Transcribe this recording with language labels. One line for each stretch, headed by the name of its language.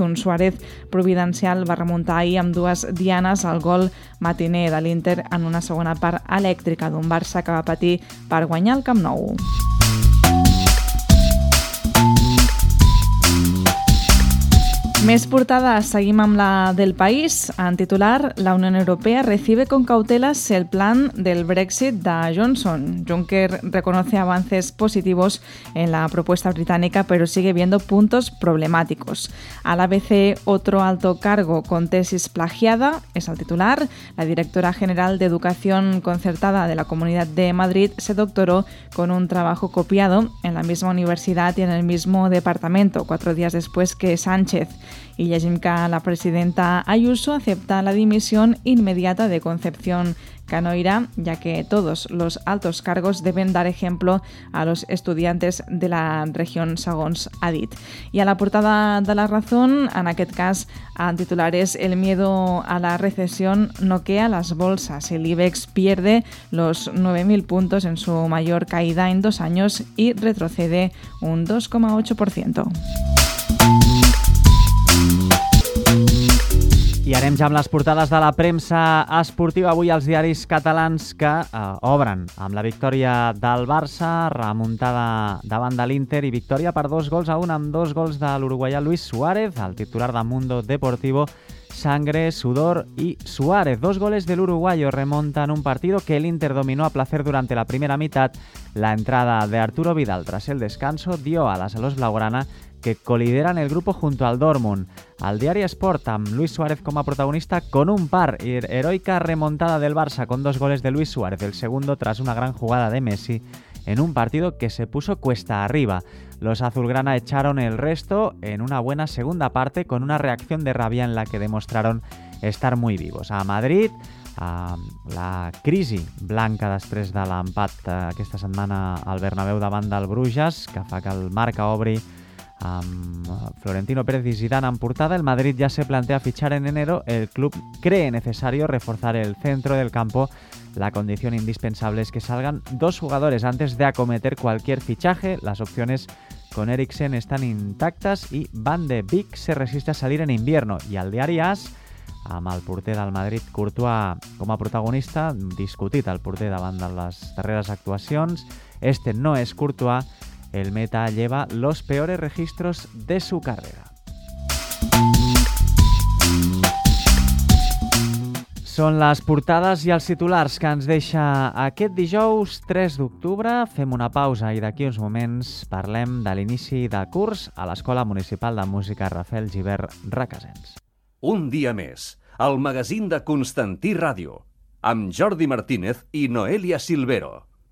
Catalan: Un Suárez providencial va remuntar ahir amb dues dianes el gol matiner de l'Inter en una segona part elèctrica d'un Barça que va patir per guanyar el Camp Nou. Més portades, seguim amb la del País. En titular, la Unió Europea
Spanish: recibe con cautelas el plan del Brexit de Johnson. Juncker reconoce avances positivos en la propuesta británica, pero sigue viendo puntos problemáticos. Al ABC, otro alto cargo con tesis plagiada, es el titular. La directora general de Educación Concertada de la Comunidad de Madrid se doctoró con un trabajo copiado en la misma universidad y en el mismo departamento, 4 días después que Sánchez. Y
Catalan: llegim que
Spanish: la presidenta Ayuso acepta la dimisión inmediata de Concepción Canoira, ya que todos los altos cargos deben dar ejemplo a los estudiantes de la región,
Catalan: segons ha dit. I a la portada de La Razón, en aquest cas, en titular és
Spanish: el miedo a la recesión noquea las bolsas. El IBEX pierde los 9.000 puntos en su mayor caída en 2 años y retrocede un 2,8%.
Catalan: I anem ja amb les portades de la premsa esportiva. Avui els diaris catalans que obren amb la victòria del Barça, remuntada davant de l'Inter i victòria per 2-1 amb 2 gols de l'uruguaià Luis Suárez, el titular de Mundo Deportivo,
Spanish: Sangre, Sudor y Suárez. 2 goles del uruguayo remontan un partido que el Inter dominó a placer durante la primera mitad. La entrada de Arturo Vidal tras el descanso dio alas a los blaugrana, que colideran el grupo junto al Dortmund.
Catalan: Al diari Sport, amb Luis Suárez com a protagonista,
Spanish: con un par, heroica remontada del Barça con 2 goles de Luis Suárez, el segundo tras una gran jugada de Messi en un partido que se puso cuesta arriba. Los azulgrana echaron el resto en una buena segunda parte con una reacción de rabia en la que demostraron estar muy vivos.
Catalan: A Madrid, a la crisi blanca després de l'empat aquesta setmana al Bernabéu davant del Bruges, que fa que el Marca obri amb
Spanish: Florentino Pérez y Zidane en portada. El Madrid ya se plantea fichar en enero. El club cree necesario reforzar el centro del campo. La condición indispensable es que salgan 2 jugadores antes de acometer cualquier fichaje. Las opciones con Eriksen están intactas y Van de Beek se resiste a salir en invierno.
Catalan: Y al diari AS, amb el porter del Madrid, Courtois, com a protagonista, discutit el porter davant de les darreres actuacions.
Spanish: Este no es Courtois. El meta lleva los peores registros de su carrera.
Catalan: Són les portades i els titulars que ens deixa aquest dijous 3 d'octubre. Fem una pausa i d'aquí uns moments parlem de l'inici de curs a l'Escola Municipal de Música Rafael Gibert Requesens. Un dia més, el magazín de Constantí Ràdio, amb Jordi Martínez i Noelia Silvero.